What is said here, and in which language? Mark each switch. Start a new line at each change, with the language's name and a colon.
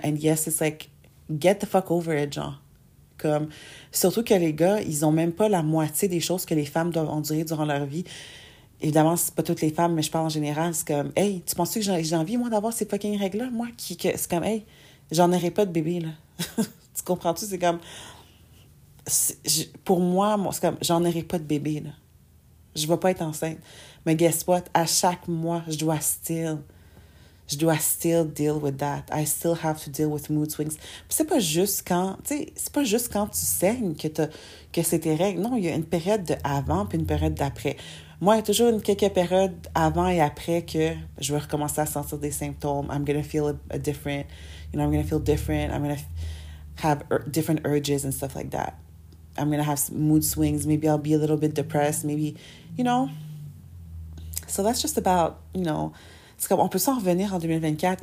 English: And yes, it's like, get the fuck over it,
French: genre. Comme, surtout que les gars, ils ont même pas la moitié des choses que les femmes doivent endurer durant leur vie. Évidemment, c'est pas toutes les femmes, mais je parle en général. C'est comme, hey, tu penses-tu que j'ai envie, moi, d'avoir ces fucking règles-là? Moi, c'est comme, hey, j'en aurais pas de bébé, là. Tu comprends-tu? C'est comme... pour moi, c'est comme, j'en aurai pas de bébé, là. Je vais pas être enceinte. Mais
English: guess what?
French: À chaque mois, je dois
English: still deal with that. I still have to deal with mood swings.
French: Puis c'est pas juste quand, tu sais, c'est pas juste quand tu saignes que c'est tes règles. Non, il y a une période de avant puis une période d'après. Moi, il y a toujours une quelques périodes avant et après que je vais recommencer à sentir des symptômes.
English: I'm gonna feel a different, you know, I'm gonna feel different. I'm gonna have different urges and stuff like that. I'm gonna have some mood swings. Maybe I'll be a little bit depressed. Maybe, you know. So that's just about, you know.
French: C'est comme, on peut s'en revenir en 2024.